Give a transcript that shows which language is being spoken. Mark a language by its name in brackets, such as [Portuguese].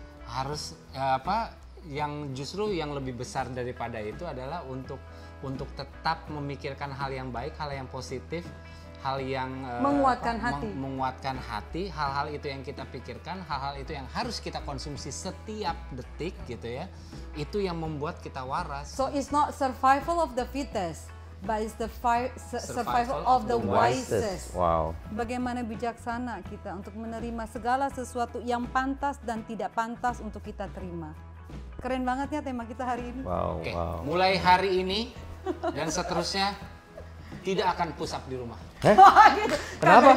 [Indonesian] Harus apa, yang justru yang lebih besar daripada itu adalah untuk tetap memikirkan hal yang baik, hal yang positif, hal yang menguatkan hati, hal-hal itu yang kita pikirkan, hal-hal itu yang harus kita konsumsi setiap detik gitu ya, itu yang membuat kita waras. [English] So it's not survival of the fittest, but it's the survival of the wisest. Wow. [Indonesian] Bagaimana bijaksana kita untuk menerima segala sesuatu yang pantas dan tidak pantas untuk kita terima. Keren banget ya tema kita hari ini. Wow. Okay. Wow. Mulai hari ini dan seterusnya tidak akan push up di rumah. Kenapa?